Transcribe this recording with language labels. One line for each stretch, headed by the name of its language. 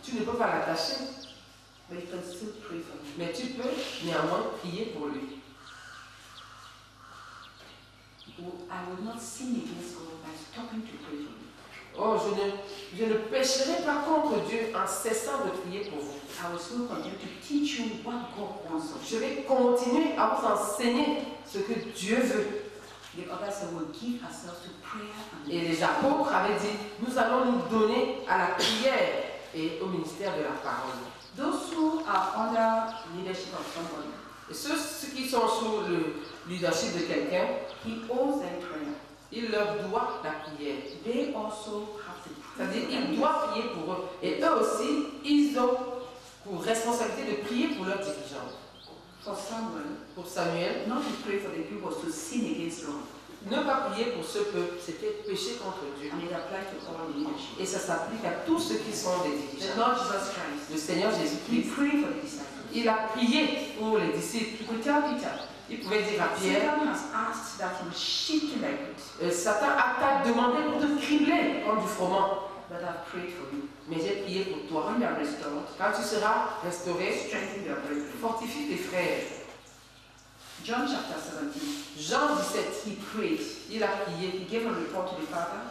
French: Tu ne peux pas l'attacher.
English: But you can still pray for him.
French: Mais tu peux néanmoins prier pour lui.
English: Oh, I will not sin against God by stopping to pray for him.
French: Oh, je ne pécherai pas contre Dieu en cessant de prier pour vous.
English: I will still continue to teach you what God wants of you.
French: Je vais continuer à vous enseigner ce que Dieu veut.
English: The others will give ourselves to prayer and
French: et les apôtres avaient dit, nous allons nous donner à la prière et au ministère de la parole.
English: Those who are under leadership of someone,
French: et ceux qui sont sous le leadership de quelqu'un,
English: he owes them prayer.
French: Il leur doit la prière.
English: They also have to pray.
French: C'est-à-dire qu'il doit prier pour eux. Et eux aussi, ils ont pour responsabilité de prier pour leurs dirigeants.
English: For Samuel,
French: pour Samuel,
English: not to pray for the people was to sin against God.
French: Ne pas prier pour ce peuple, c'était pécher contre Dieu.
English: And it applies to all leadership.
French: Et ça s'applique à tous ceux qui sont des dirigeants. Le Seigneur Jésus-Christ.
English: He prayed for the disciples.
French: Il a prié pour les disciples.
English: He could tell Peter.
French: Il pouvait dire à Pierre.
English: Satan has asked that he shift you like it.
French: Satan a t'a demandé pour te cribler comme du froment.
English: But I prayed for you.
French: Mais j'ai prié pour toi.
English: When you are restored,
French: quand tu seras restauré,
English: strengthen your brethren.
French: Fortifie tes frères.
English: John chapter 17.
French: Jean 17,
English: he prayed.
French: Il a prié.
English: He gave a report to the Father.